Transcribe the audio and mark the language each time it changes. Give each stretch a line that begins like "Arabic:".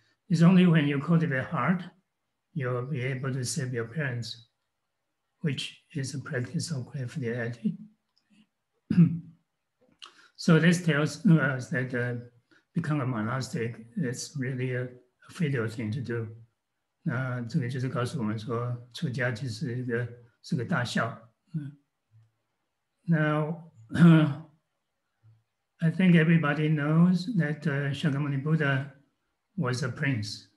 English: It's only when you cultivate heart, you'll be able to save your parents, which is a practice of great fidelity. So this tells us that become a monastic is really a filial thing to do.
Chinese: 那这个就是告诉我们说出家其实是个大孝。
English: Now, I think everybody knows that Shakyamuni Buddha was a prince.